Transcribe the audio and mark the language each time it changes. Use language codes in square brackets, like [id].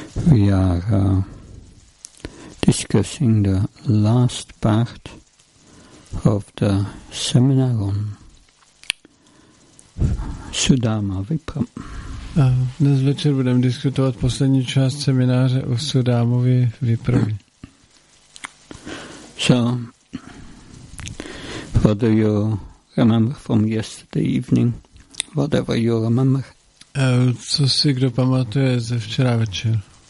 [en] We are discussing the last part of the seminar on Sudama Vipra. [cs] Dnes večer budeme diskutovat poslední část semináře o Sudámovi Vipravi. [en] So, what do you remember from yesterday evening? Whatever you remember. [cs] Co si kdo pamatuje ze včera večer?